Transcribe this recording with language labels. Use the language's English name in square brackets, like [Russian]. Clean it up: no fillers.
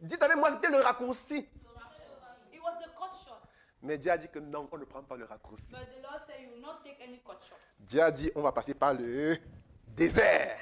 [French] Dites avec moi, c'était le raccourci. [English] It was the cut short. [French] Mais Dieu a dit que non, on ne prend pas le raccourci. [English] But the Lord said you will not take any cut short. [French] Dieu a dit, on va passer par le désert.